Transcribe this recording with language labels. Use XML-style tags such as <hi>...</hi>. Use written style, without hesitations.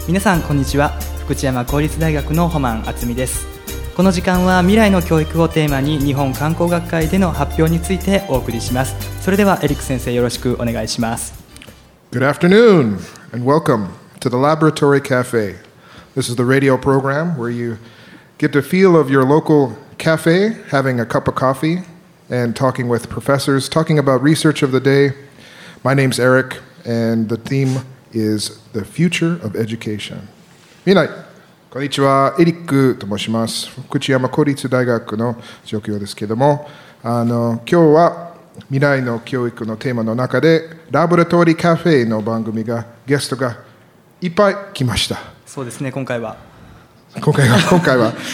<ja>皆さんこんにちは、福知山公立大学のホマン敦美です。この時間は未来の教育をテーマに日本観光学会での発表についてお送りします。それではエリック先生よろしくお願いします。</ja> <en>Good afternoon and welcome to the Laboratory Cafe. This is the radio program where you get the feel of your local cafe having a cup of coffee and talking with professors, talking about research of the day. My name's Eric and the theme is the future of education.</en> <ja>みなさん、こんにちは。エリックと申します。福知山公立大学の助教ですけれども、今日は未来の教育のテーマの中で、ラボラトリーカフェの番組が、ゲストがいっぱい来ました。そうですね、今回は。今回は。</ja>